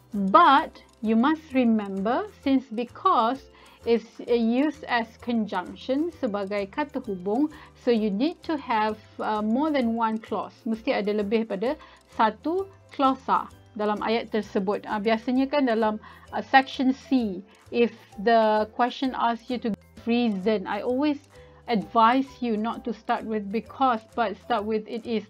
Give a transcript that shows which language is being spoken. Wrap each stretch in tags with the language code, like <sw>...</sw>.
<en>But you must remember, since because is used as conjunction</en> <ms>sebagai kata hubung,</ms> <en>so you need to have more than one clause.</en> <ms>Mesti ada lebih pada satu klausa dalam ayat tersebut. Biasanya kan dalam</ms> <en>section C, if the question asks you to give reason, I always advise you not to start with because, but start with it is.</en>